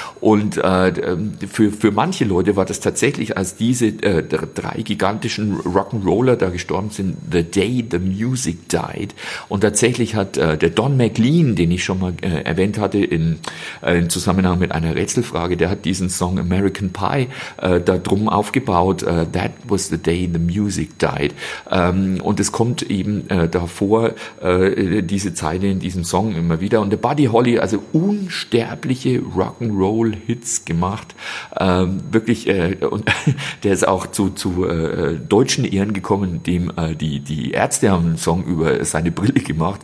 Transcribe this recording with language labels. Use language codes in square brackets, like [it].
[de] Und für manche Leute war das tatsächlich, als diese drei gigantischen Rock'n'Roller da gestorben sind, [en] the day the music died. [de] Und tatsächlich hat der Don McLean, den ich schon mal erwähnt hatte, in Zusammenhang mit einer Rätselfrage, der hat diesen Song American Pie da drum aufgebaut. [en] That was the day the music died. [de] Und es kommt eben davor, diese Zeile in diesem Song immer wieder. Und der Buddy Holly, also unsterblich Rock'n'Roll-Hits gemacht. Wirklich, und der ist auch zu deutschen Ehren gekommen, indem die Ärzte haben einen Song über seine Brille gemacht.